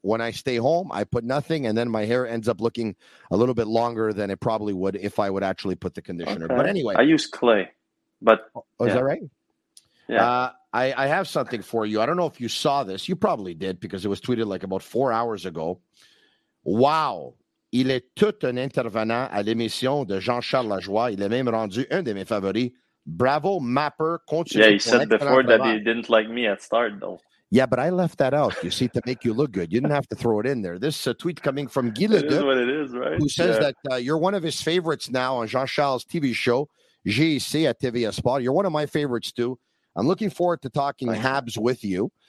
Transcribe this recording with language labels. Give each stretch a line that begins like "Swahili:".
English: When I stay home, I put nothing, and then my hair ends up looking a little bit longer than it probably would if I would actually put the conditioner. Okay. But anyway. I use clay. But is that right? Yeah. I have something for you. I don't know if you saw this. You probably did because it was tweeted like about 4 hours ago. Wow.
French: Il est tout un intervenant à l'émission de Jean-Charles Lajoie. Il est même rendu un de mes favoris. Bravo, Mapper. Continue.
English: Yeah, he said before that he didn't like me at start, though. Yeah, but I left that out, you see, to make you look good. You didn't have to throw it in there. This tweet coming from Guy Ledeux. It is what it is, right? Who says that you're one of his favorites now on Jean-Charles' TV show, GEC at TVA Sport. You're one of my favorites, too. I'm looking forward to talking Habs with you.